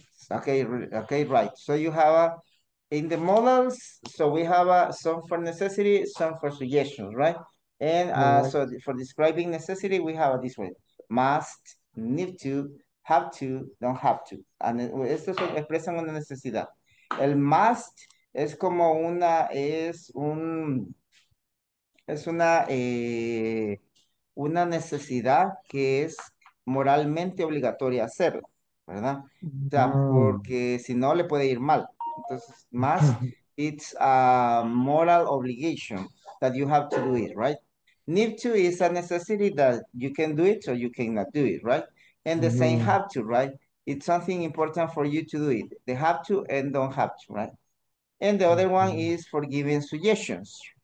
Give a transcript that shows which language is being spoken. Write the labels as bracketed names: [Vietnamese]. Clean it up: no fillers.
[English] Okay, right. So you have in the models, so we have some for necessity, some for suggestions, right? And so for describing necessity, we have this way: must, need to, have to, don't have to. [Spanish] And esto es expresan una necesidad. El must es como una, es una necesidad que es moralmente obligatoria hacerlo, ¿verdad? O sea, porque si no le puede ir mal. Entonces, más, [English] it's a moral obligation that you have to do it, right? Need to is a necessity that you can do it or you cannot do it, right? And the same have to, right? It's something important for you to do it. They have to and don't have to, right? And the other one is for giving suggestions.